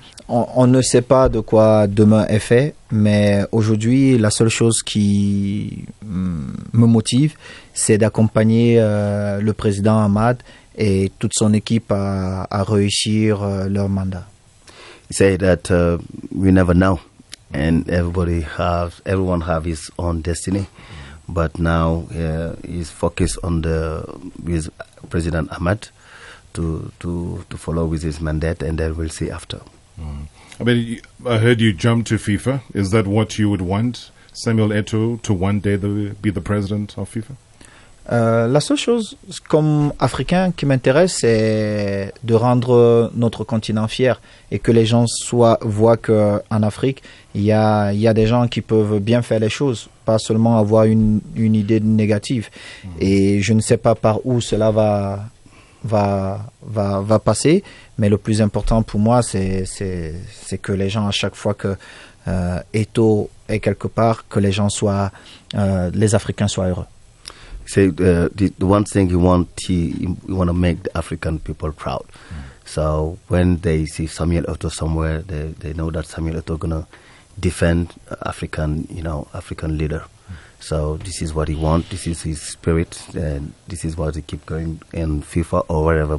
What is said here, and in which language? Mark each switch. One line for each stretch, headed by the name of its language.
French: On ne sait pas de quoi demain est fait, mais aujourd'hui, la seule chose qui me motive, c'est d'accompagner le président Ahmad et toute son équipe à réussir leur mandat.
English: He said that we never know, and everyone have his own destiny. But now he's focused on with President Ahmad to follow with his mandate, and then we'll see after. Mm. I mean, I heard you jump to FIFA. Is that what you would want, Samuel Eto'o, to one day be the president of FIFA?
French: La seule chose, comme Africain, qui m'intéresse, c'est de rendre notre continent fier et que les gens voient qu'en Afrique, il y a des gens qui peuvent bien faire les choses, pas seulement avoir une idée négative. Et je ne sais pas par où cela va passer, mais le plus important pour moi, c'est que les gens, à chaque fois que Eto'o est quelque part, que les gens soient, les Africains soient heureux.
English: Say the one thing you want to make the African people proud. So when they see Samuel Eto'o somewhere, they know that Samuel Eto'o gonna defend African, you know, African leader. So this is what he want. This is his spirit, and this is what he keep going in FIFA or wherever.